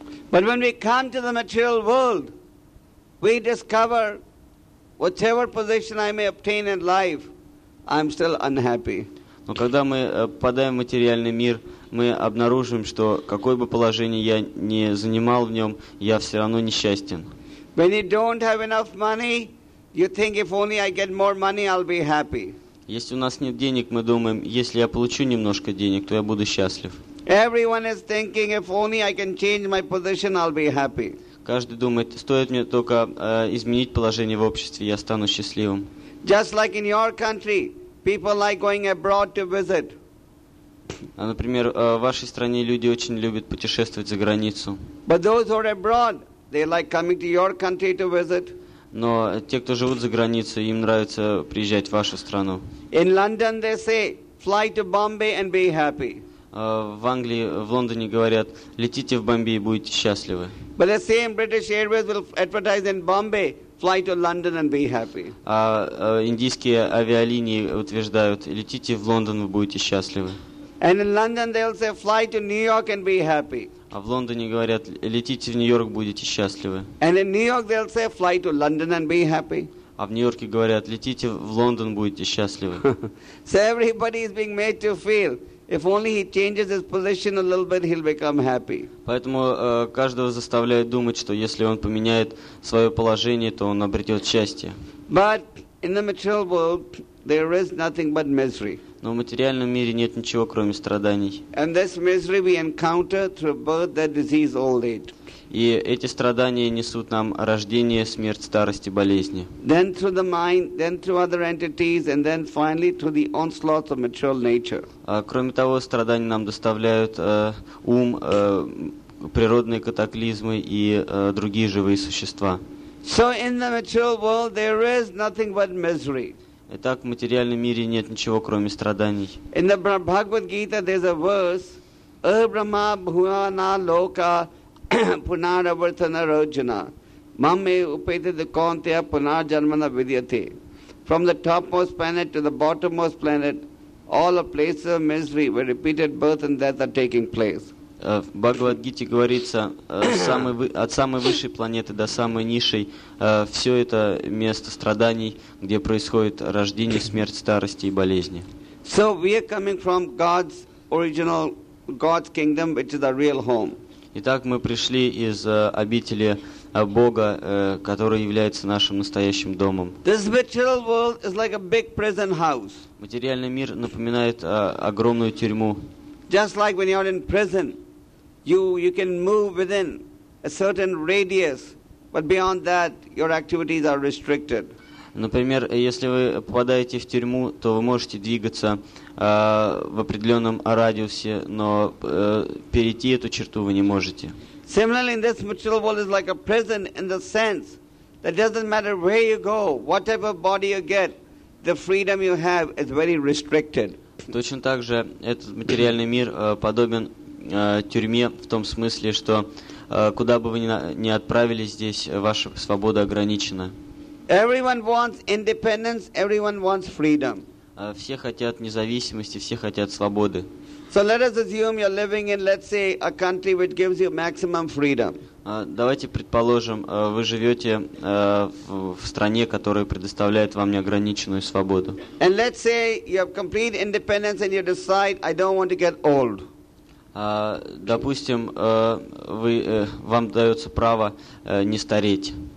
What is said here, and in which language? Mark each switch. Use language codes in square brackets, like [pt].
[en] But when we come to the material world, we discover whatever position I may obtain in life, I'm still unhappy. [ru] Но когда мы попадаем в материальный мир, мы обнаружим, что какое бы положение я ни занимал в нем, я все равно несчастен. [en] When you don't have enough money, you think if only I get more money, I'll be happy. [ru] Если у нас нет денег, мы думаем, если я получу немножко денег, то я буду счастлив. [en] Everyone is thinking if only I can change my position, I'll be happy. [ru] Каждый думает, стоит мне только изменить положение в обществе, я стану счастливым. [en] Just like in your country, people like going abroad to visit. [ru] Например, в вашей стране люди очень любят путешествовать за границу. [en] But those who are abroad, they like coming to your country to visit. [ru] Но те, кто живут за границей, им нравится приезжать в вашу страну. [en] In London, they say, fly to Bombay and be happy. [ru] В Англии, в Лондоне говорят, летите в Бомбей и будете счастливы. [en] But the same British Airways will advertise in Bombay, fly to London and be happy. [ru] А индийские авиалинии утверждают, летите в Лондон, вы будете счастливы. [en] And in London they'll say, fly to New York and be happy. [ru] А в Лондоне говорят, летите в Нью-Йорк, будете счастливы. [en] And in New York they'll say, fly to London and be happy. [ru] А в Нью-Йорке говорят, летите в Лондон, будете счастливы. [en] So everybody is being made to feel, if only he changes his position a little bit, he'll become happy. [ru] Поэтому каждого заставляют думать, что если он поменяет свое положение, то он обретет счастье. [en] But in the material world, there is nothing but misery. [ru] Но в материальном мире нет ничего, кроме страданий. [en] And this misery we encounter through birth, death, disease, old age. [ru] И эти страдания несут нам рождение, смерть, старость и болезни. [en] Then through the mind, then through other entities, and then finally through the onslaughts of material nature. [ru] Кроме того, страдания нам доставляют ум, природные катаклизмы и другие живые существа. [en] So in the material world there is nothing but misery. [ru] Итак, в материальном мире нет ничего, кроме страданий. [en] In the Bhagavad Gita there's a verse, [sa] Abrahma Bhuvana Loka Punaravartana Rojana Mame Upetita Kaunteya Punarjanmana Vidyate. [en] From the topmost planet to the bottommost planet, all are places of misery where repeated birth and death are taking place. [ru] В Бхагавад-гите говорится, от самой высшей планеты до самой низшей, все это место страданий, где происходит рождение, смерть, старости и болезни. [en] So we are coming from God's original, God's kingdom, which is our real home. [ru] Итак, мы пришли из обители Бога, который является нашим настоящим домом. [en] This material world is like a big prison house. [ru] Материальный мир напоминает огромную тюрьму. [en] Just like when you're in prison. You can move within a certain radius, but beyond that your activities are restricted. [ru] Например, если вы попадаете в тюрьму, то вы можете двигаться в определенном радиусе, но перейти эту черту вы не можете. [en] Similarly, this material world is like a prison in the sense that doesn't matter where you go, whatever body you get, the freedom you have is very restricted. [ru] Точно так же этот материальный мир подобен тюрьме в том смысле, что куда бы вы ни отправились здесь, ваша свобода ограничена. [en] Everyone wants independence, everyone wants freedom. [ru] Все хотят независимости, все хотят свободы. [en] So let us assume you're living in, let's say, a country which gives you maximum freedom. [ru] Давайте предположим, вы живете в стране, которая предоставляет вам неограниченную свободу. [en] And let's say you have complete independence and you decide, I don't want to get old. [ru] Допустим, вам дается право не стареть.